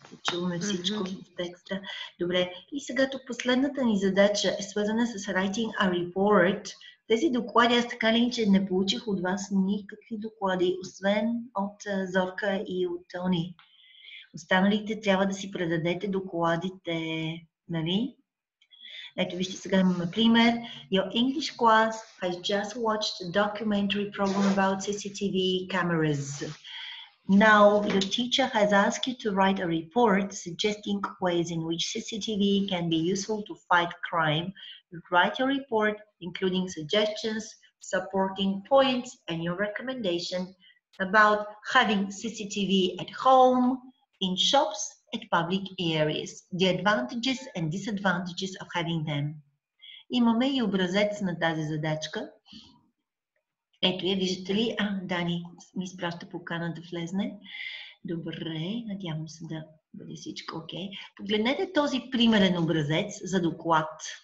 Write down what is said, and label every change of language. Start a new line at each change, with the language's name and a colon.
Bulgarian: Чуваме всичко в текста. Добре, и сега тук последната ни задача е свързана с
English: writing a report.
Bulgarian: Тези доклади, аз така ли, че не получих от вас никакви доклади, освен от Зорка и от Тони. Останалите трябва да си предадете докладите, нали? Ето вижте, сега имаме пример.
English: Your English class has just watched a documentary program about CCTV cameras. Now, your teacher has asked you to write a report suggesting ways in which CCTV can be useful to fight crime. Write your report, including suggestions, supporting points, and your recommendation about having CCTV at home, in shops, at public areas, the advantages and disadvantages of having them.
Bulgarian: Имаме и образец на тази задачка. Ето я, виждате ли? А, Дани ми изпраща покана да влезне. Добре, надявам се да бъде всичко окей. Погледнете този примерен образец за доклад.